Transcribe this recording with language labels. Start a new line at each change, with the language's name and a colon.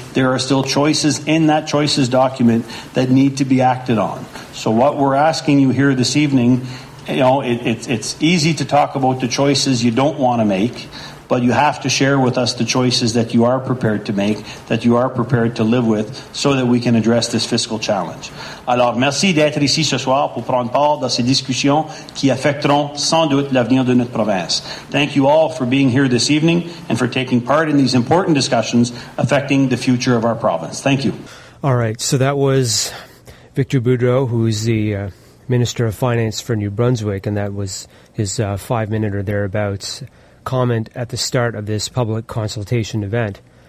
English: There are still choices in that choices document that need to be acted on. So what we're asking you here this evening, you know, it's easy to talk about the choices you don't want to make, but you have to share with us the choices that you are prepared to make, that you are prepared to live with, so that we can address this fiscal challenge.
French: Alors, merci d'être ici ce soir pour prendre part dans ces discussions qui affecteront sans doute l'avenir de notre province.
English: Thank you all for being here this evening and for taking part in these important discussions affecting the future of our province. Thank you. All right, so that was Victor Boudreau, who is the Minister of Finance for New Brunswick, and that was his 5-minute or thereabouts comment at the start of this public consultation event.